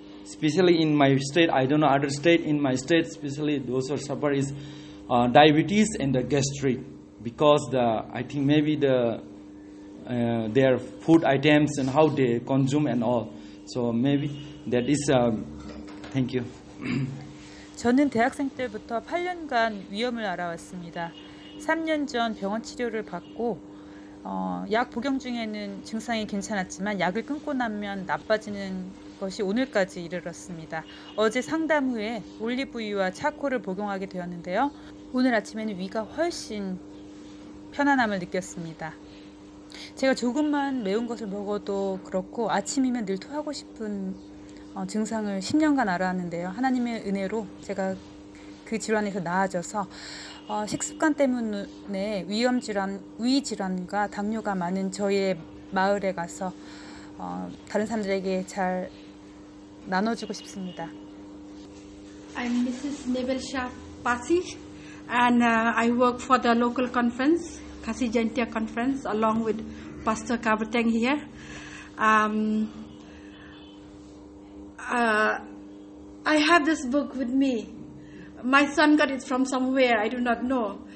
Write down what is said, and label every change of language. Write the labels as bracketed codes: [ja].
[en] Especially in my state, I don't know other state. In my state, especially those who are suffering is diabetes and the gastric. Because the I think maybe the their food items and how they consume and all, so maybe that is thank you. [ko] 저는 대학생 때부터 8년간 위염을 알아왔습니다. 3년 전 병원 치료를 받고 약 복용 중에는 증상이 괜찮았지만 약을 끊고 나면 나빠지는 것이 오늘까지 이르렀습니다. 어제 상담 후에 올리브유와 차코를 복용하게 되었는데요. 오늘 아침에는 위가 훨씬 편안함을 느꼈습니다. 제가 조금만 매운 것을 먹어도 그렇고 아침이면 늘 토하고 싶은 증상을 10년간 알아왔는데요. 하나님의 은혜로 제가 그 질환에서 나아져서 식습관 때문에 위염질환, 위질환과 당뇨가 많은 저희의 마을에 가서 다른 사람들에게 잘 나눠주고 싶습니다. [en] I'm Mrs. Nebel Shah Pasi. And I work for the local conference, Kasi Jaintia Conference, along with Pastor Kabateng here. I have this book with me. My son got it from somewhere, I do not know.